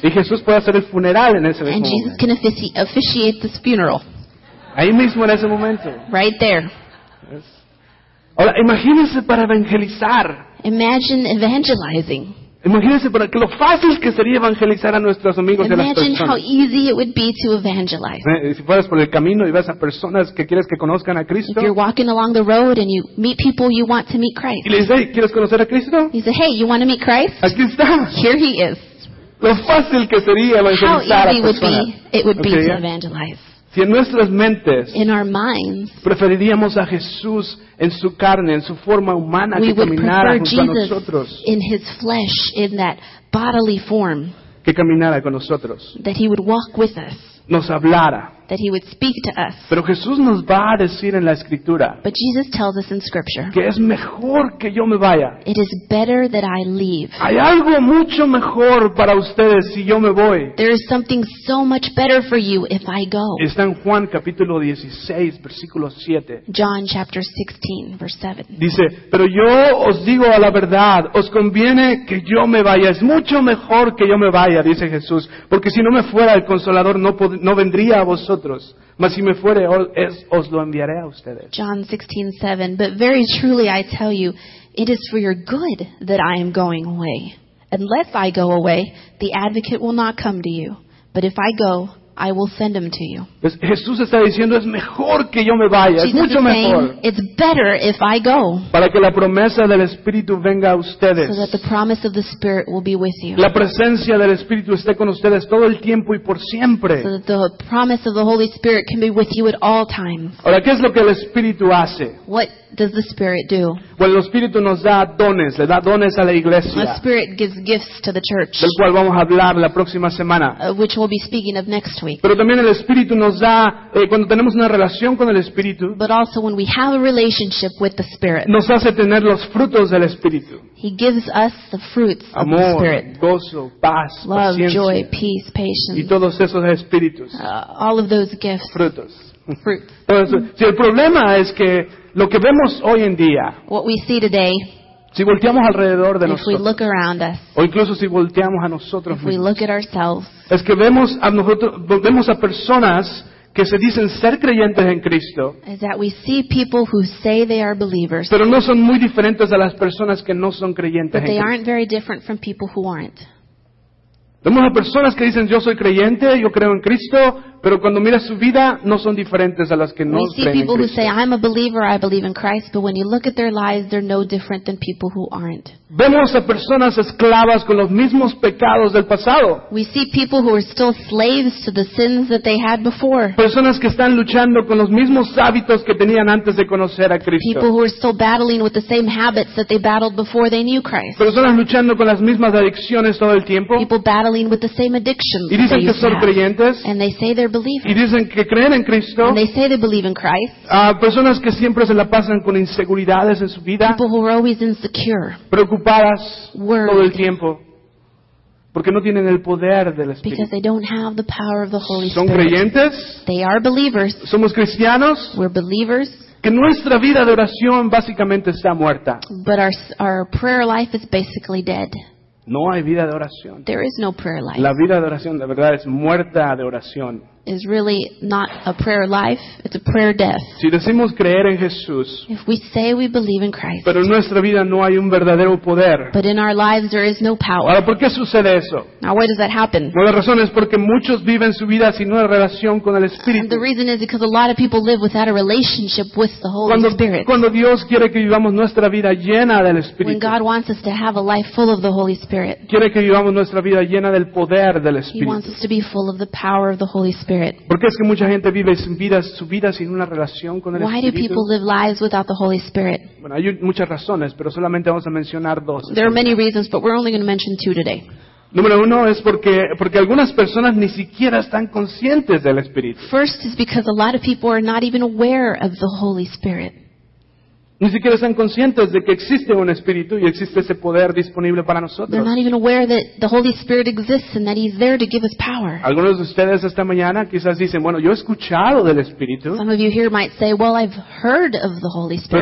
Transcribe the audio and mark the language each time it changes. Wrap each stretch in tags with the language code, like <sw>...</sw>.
<es>Y Jesús puede hacer el funeral en ese</es> <en>and</en> <es>mismo</es> <en>Jesus</en> <es>momento.</es> <en>And Jesus can officiate this funeral.</en> <es>Ahí mismo en ese momento.</es> <en>Right there.</en> <es>Ahora, imagínese para evangelizar.</es> <en>Imagine evangelizing.</en> <es>Imagínese para que lo fácil que sería evangelizar a nuestros amigos</es> <en>imagine</en> <es>y a las personas.</es> <en>Imagine how easy it would be to evangelize.</en> <es>Si fueras por el camino y ves a personas que quieres que conozcan a Cristo.</es> <en>If you're walking along the road and you meet people you want to meet Christ.</en> <es>Y le dices, hey, ¿quieres conocer a Cristo?</es> <en>You say, hey, you want to meet Christ?</en> <es>Aquí está.</es> <en>Here he is.</en> <es>Lo fácil que sería evangelizar</es> <en>how easy</en> <es>a personas.</es> <en>Would be, it would be okay, to evangelize.</en> <es>Si en nuestras mentes</es> <en>in our minds,</en> <es>preferiríamos a Jesús en su carne, en su forma humana que caminara junto a nosotros,</es> <en>in his flesh, in that bodily form,</en> <es>que caminara con nosotros,</es> <en>that he would walk with us,</en> <es>nos hablara,</es> <en>that he would speak to us.</en> <es>Pero Jesús nos va a decir en la Escritura,</es> <en>but Jesus tells us in Scripture,</en> <es>que es mejor que yo me vaya.</es> <en>It is better that I leave.</en> <es>Hay algo mucho mejor para ustedes si yo me voy.</es> <en>There is something so much better for you if I go.</en> <es>Está en Juan capítulo 16, versículo 7.</es> <en>John chapter 16, verse 7.</en> <es>Dice, pero yo os digo a la verdad, os conviene que yo me vaya. Es mucho mejor que yo me vaya, dice Jesús. Porque si no me fuera el Consolador, no vendría a vosotros. Mas si me fuere, os lo enviaré a ustedes.</es> <en>John 16:7. But very truly I tell you, it is for your good that I am going away. Unless I go away, the advocate will not come to you. But if I go, I will send him to you.</en> <es>Pues Jesús está diciendo, es mejor que yo me vaya.</es> <en>Jesus</en> <es>es mucho mejor.</es> <en>It's better if I go.</en> <es>Para que la promesa del Espíritu venga a ustedes.</es> <en>So that the promise of the Spirit will be with you.</en> <es>La presencia del Espíritu esté con ustedes todo el tiempo y por siempre.</es> <en>So that the promise of the Holy Spirit can be with you at all times.</en> <es>Ahora, ¿qué es lo que el Espíritu hace?</es> <en>What does the Spirit do?</en> <es>Bueno, el Espíritu nos da dones. Le da dones a la iglesia.</es> <en>The Spirit gives gifts to the church.</en> <es>Del cual vamos a hablar la próxima semana.</es> <en>Which we'll be speaking of next week.</en> <es>Pero también el Espíritu nos da cuando tenemos una relación con el Espíritu.</es> <en>But also when we have a relationship with the Spirit.</en> <es>Nos hace tener los frutos del Espíritu.</es> <en>He gives us the fruits</en> <es>amor,</es> <en>of the Spirit.</en> <es>Amor, gozo, paz,</es> <en>love,</en> <es>paciencia.</es> <en>Joy, peace, patience.</en> <es>Y todos esos espíritus.</es> <en>All of those gifts.</en> <es>Frutos.</es> <en>Fruits.</en> <es>Entonces, si el problema es que lo que vemos hoy en día,</es> <en>what we see today,</en> <es>si volteamos alrededor de nosotros,</es> <en>if we look around us,</en> <es>o incluso si volteamos a nosotros</es> <en>if we look at ourselves,</en> <es>es que vemos a nosotros, vemos a personas que se dicen ser creyentes en Cristo,</es> <en>is that we see people who say they are believers,</en> <es>pero no son muy diferentes a las personas que no son creyentes</es> <en>but</en> <es>en</es> <en>they</en> <es>Cristo.</es> <en>Aren't very different from people who aren't.</en> <es>Vemos a personas que dicen yo soy creyente, yo creo en Cristo, Pero cuando miras su vida, no son diferentes a las que no creen en</es> <en>Cristo. We see people who say, I'm a believer, I believe in Christ, but when you look at their lives, they're no different than people who aren't.</en> <es>Vemos a personas esclavas con los mismos pecados del pasado.</es> <en>We see people who are still slaves to the sins that they had before.</en> <es>Personas que están luchando con los mismos hábitos que tenían antes de conocer a Cristo.</es> <en>People who are still battling with the same habits that they battled before they knew Christ.</en> <es>Personas luchando con las mismas adicciones todo el tiempo.</es> <en>People battling with the same addictions.</en> <es>Y dicen que son creyentes.</es> <en>And they say they're believers.</en> <es>Y dicen que creen en Cristo.</es> <en>And they say they believe in Christ.</en> <es>Personas que siempre se la pasan con inseguridades en su vida.</es> <en>People who are always insecure.</en> <es>Preocupadas todo el tiempo porque no tienen el poder del Espíritu.</es> <en>Because they don't have the power of the Holy Spirit.</en> <es>Son creyentes.</es> <en>They are believers.</en> <es>Somos cristianos.</es> <en>We're believers.</en> <es>Que nuestra vida de oración básicamente está muerta.</es> <en>But our prayer life is basically dead.</en> <es>No hay vida de oración.</es> <en>There is no prayer life.</en> <es>La vida de oración, de verdad, es muerta de oración.</es> <en>Is really not a prayer life, it's a prayer death.</en> <es>Si decimos creer en Jesús,</es> <en>if we say we believe in Christ,</en> <es>pero en nuestra vida no hay un verdadero poder,</es> <en>but in our lives there is no power.</en> <es>Ahora, ¿por qué sucede eso?</es> <en>Now, why does that happen?</en> <es>Bueno, la razón es porque muchos viven su vida sin una relación con el Espíritu.</es> <en>And the reason is because a lot of people live without a relationship with the Holy Spirit.</en> <es>Cuando Dios quiere que vivamos nuestra vida llena del Espíritu,</es> <en>when God wants us to have a life full of the Holy Spirit,</en> <es>quiere que vivamos nuestra vida llena del poder del Espíritu.</es> <en>He wants us to be full of the power of the Holy Spirit.</en> <es>Porque es que mucha gente vive su vida sin una relación con el Espíritu.</es> <en>Why do people live lives without the Holy Spirit?</en> <es>Bueno, hay muchas razones, pero solamente vamos a mencionar dos.</es> <en>There are many reasons, but we're only going to mention two today.</en> <es>Número uno es porque algunas personas ni siquiera están conscientes del Espíritu.</es> <en>First is because a lot of people are not even aware of the Holy Spirit.</en> <es>Ni siquiera están conscientes de que existe un Espíritu y existe ese poder disponible para nosotros.</es> <en>They're not even aware that the Holy Spirit exists and that He's there to give us power.</en> <es>Algunos de ustedes esta mañana quizás dicen, bueno, yo he escuchado del Espíritu.</es> <en>Some of you here might say, well, I've heard of the Holy Spirit.</en>